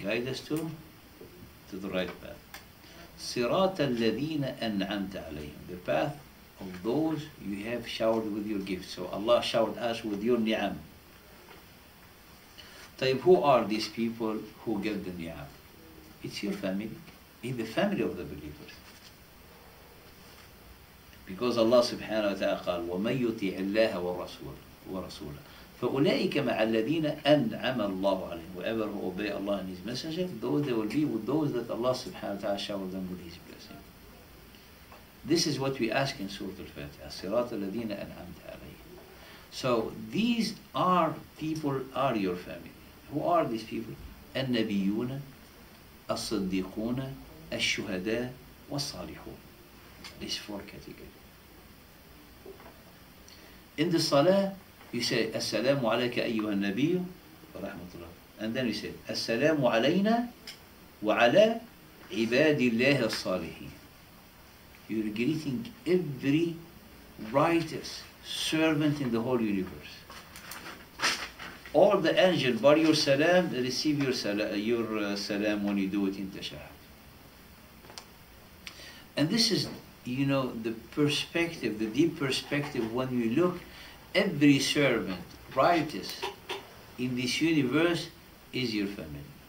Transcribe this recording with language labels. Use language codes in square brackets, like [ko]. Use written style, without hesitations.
[en] Guide us to the right path. [ar] صراط الذين أنعمت عليهم. [en] The path of those you have showered with your gift. So Allah showered us with your ni'am. طيب, who are these people who get the ni'am? It's your family. It's the family of the believers. Because Allah subhanahu wa ta'ala [ar] قال وَمَنْ يُطِعِ اللَّهَ وَرَسُولَهُ فَأُولَٰئِكَ مَعَ الَّذِينَ أَنْعَمَ اللَّهُ عَلَيْهِمْ. [en] Whoever who obey Allah and His Messenger, those they will be with those that Allah subhanahu wa ta'ala showered them with His blessing. This is what we ask in Surah Al-Fatiha. [ar] صِرَاطَ الَّذِينَ أَنْعَمْتَ عَلَيْهِمْ. [en] So these are people, are your family. Who are these people? [ar] النبيون الصديقون الشهداء والصالحون. [en] These four categories. In the Salah, you say [ar] السلام عليك أيها النبي ورحمة الله. [en] And then you say [ar] السلام علينا وعلى عباد الله الصالحين. [en] You're greeting every righteous servant in the whole universe. All the angels, bar your salam, receive your salam when you do it in tashahhud. And this is, the perspective, the deep perspective, when you look, every servant, righteous, in this universe, is your family.